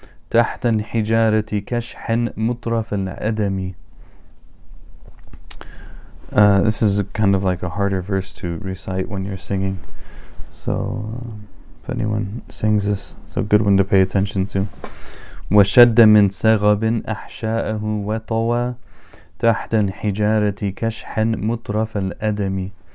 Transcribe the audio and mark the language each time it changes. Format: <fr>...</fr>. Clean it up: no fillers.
<ar>تحت حجارة كشح مطرف الأدم.</ar> <en>This is kind of like a harder verse to recite when you're singing. So if anyone sings this, it's a good one to pay attention to.</en> <ar>وشد من سغب أحشاءه وطوى تحت حجارة كشح مطرف الأدم.</ar>